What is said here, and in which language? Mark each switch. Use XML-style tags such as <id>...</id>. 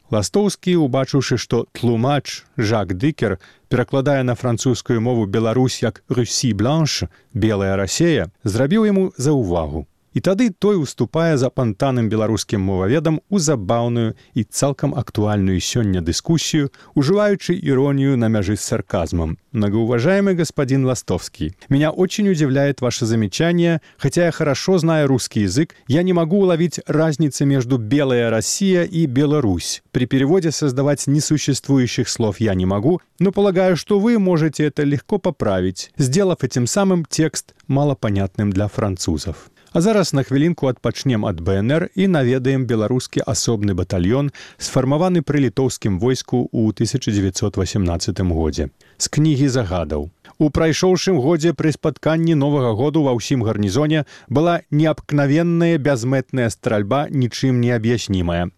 <be>Ластоўскі, убачыўшы, што тлумач Жак Дыкер перакладае на французскую мову Беларусь як «Руссі бланш» – «белая Расія», зрабіў яму заўвагу. І тады той уступае за апантаным беларускім мовавядам у забаўную і цалкам актуальную сёння дыскусію, ужываючы іронію на мяжы з сарказмам.</be> <ru>«Многоуважаемый господин Ластовский, меня очень удивляет ваше замечание, хотя я хорошо знаю русский язык, я не могу уловить разницы между «белая Россия» и «Беларусь». При переводе создавать несуществующих слов я не могу, но полагаю, что вы можете это легко поправить, сделав этим самым текст малопонятным для французов».</ru> <be>А зараз на хвілінку адпачнем ад БНР і наведаем беларускі асобны батальён, сфармаваны пры літоўскім войску ў 1918 годзе. З кнігі загадаў. У прайшоўшым годзе пры спатканні новага году ва ўсім гарнізоне была неабкнавенная бязмэтная стральба, нічым не аб'яснімая.</be>